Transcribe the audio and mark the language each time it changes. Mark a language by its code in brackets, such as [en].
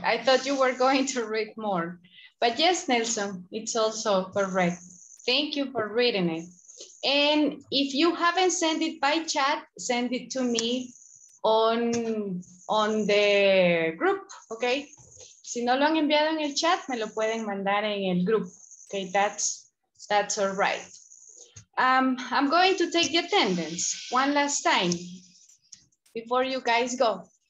[en] I thought you were going to read more. But yes, Nelson, it's also correct. Thank you for reading it. And if you haven't sent it by chat, send it to me on the group, okay? [es] Si no lo han enviado en el chat, me lo pueden mandar en el grupo. [en] Okay, that's all right. I'm going to take the attendance one last time before you guys go.